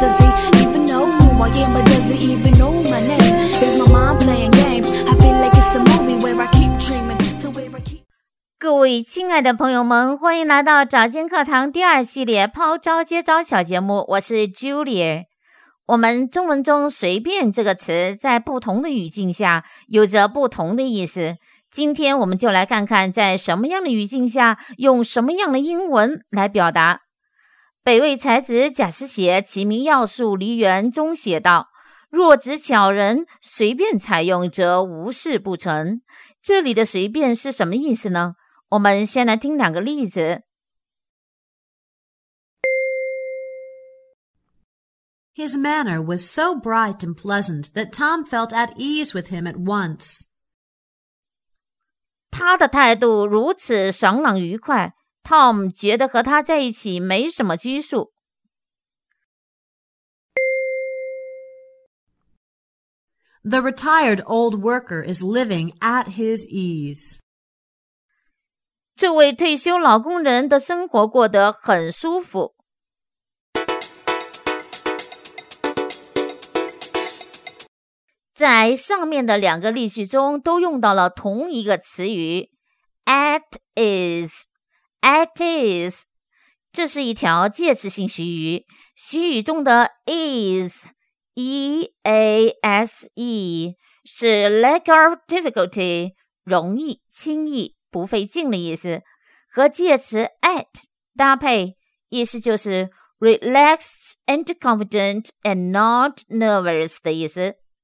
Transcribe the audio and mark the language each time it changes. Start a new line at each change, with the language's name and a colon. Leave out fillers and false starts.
English: Does he even know who I am? Or does he even know my name? Is my mind playing games? I feel like it's a movie where I keep dreaming. So where I keep...
Chinese: 各位亲爱的朋友们，欢迎来到早间课堂第二系列抛招接招小节目，我是 Julia。我们中文中随便这个词在不同的语境下有着不同的意思，今天我们就来看看在什么样的语境下用什么样的英文来表达。北魏才子贾思勰《齐民要术离原》中写道，若只巧人随便采用则无事不成。这里的随便是什么意思呢？我们先来听两个例子。
English: His manner was so bright and pleasant that Tom felt at ease with him at once.
Chinese: 他的态度如此爽朗愉快， Tom 觉得和他在一起没什么拘束。
English: The retired old worker is living at his ease.
Chinese: 这位退休老工人的生活过得很舒服。在上面的两个例句中都用到了同一个词语 at is, at is, 这是一条介词性习语，习语中的 is, E-A-S-E, 是
English: lack of difficulty,
Chinese: 容易、轻易、不费劲的意思，和介词 at 搭配，意思就是
English: relaxed and confident and not nervous
Chinese: 的意思。